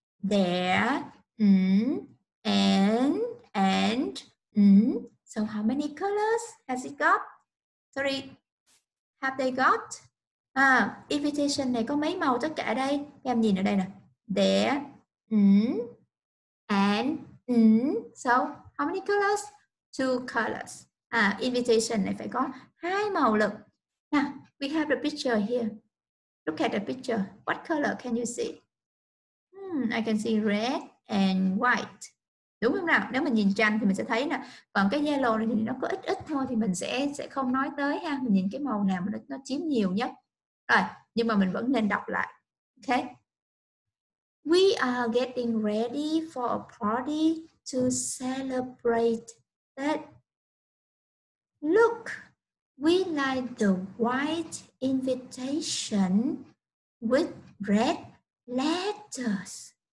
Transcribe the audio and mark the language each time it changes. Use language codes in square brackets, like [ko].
[en] There, and so how many colors has it got? Sorry. Have they got? [vi] Invitation này có mấy màu tất cả đây? Em nhìn ở đây nè. [en] There, and so how many colors? Two colors. [vi] Invitation này phải có hai màu lận. [en] Now we have the picture here. Look at the picture. What color can you see? I can see red and white. [vi] Đúng không nào? Nếu mình nhìn tranh thì mình sẽ thấy nè. Còn cái yellow này thì nó có ít thôi thì mình sẽ không nói tới ha. Mình nhìn cái màu nào mà nó chiếm nhiều nhất. Rồi, nhưng mà mình vẫn nên đọc lại. [en] Okay. We are getting ready for a party to celebrate that. Look, we like the white invitation with red letters.